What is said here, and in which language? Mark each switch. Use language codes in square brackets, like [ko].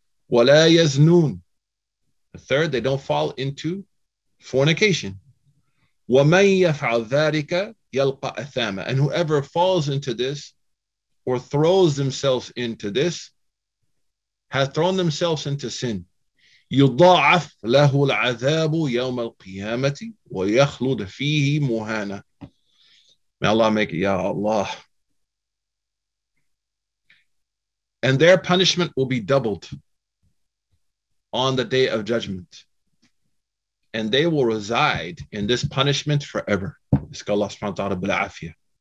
[ar] وَلَا يَزْنُونَ. [en] The third, they don't fall into fornication. [ar] وَمَنْ يَفْعَلْ ذَٰرِكَ يَلْقَ أَثَامًا. [en] And whoever falls into this or throws themselves into this has thrown themselves into sin. [ar] يضاعف له العذاب يوم القيامة ويخلد فيه مهانا. [en] May Allah make it, Ya Allah. And their punishment will be doubled on the day of judgment. And they will reside in this punishment forever. Iskallah subhanahu wa ta'ala bil'afiyah.